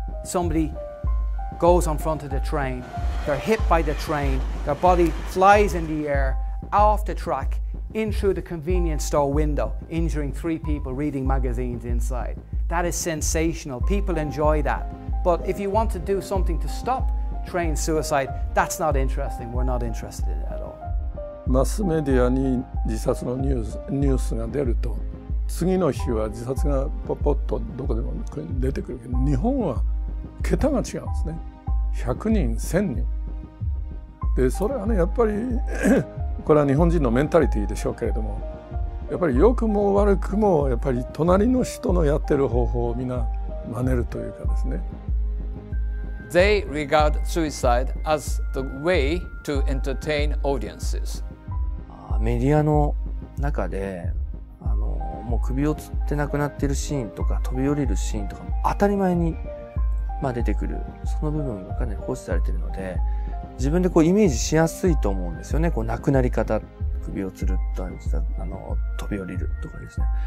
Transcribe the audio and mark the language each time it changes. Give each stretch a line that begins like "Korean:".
English: Somebody goes in front of the train, they're hit by the train, their body flies in the air, off the track, in through the convenience store window, injuring three people reading magazines inside. That is sensational. People enjoy that. But if you want to do something to stop train suicide, that's not interesting. We're not interested in it at all.
Japanese: Mass media に自殺のニュースが出ると、次の日は自殺がポポッとどこでも出てくるけど、日本は桁が違うんですね。 100人、1000人。で、それはね、やっぱりこれは日本人のメンタリティでしょうけれども、やっぱり良くも悪くもやっぱり隣の人のやってる方法をみんな真似るというかですね。
English: They regard suicide as the way to entertain audiences.
Japanese: メディアの中で、もう首をつって亡くなっているシーンとか、飛び降りるシーンとかも当たり前に、まあ、出てくる。その部分がかなり放置されているので、自分でこうイメージしやすいと思うんですよね。こう亡くなり方、首をつるっと飛び降りるとかですね。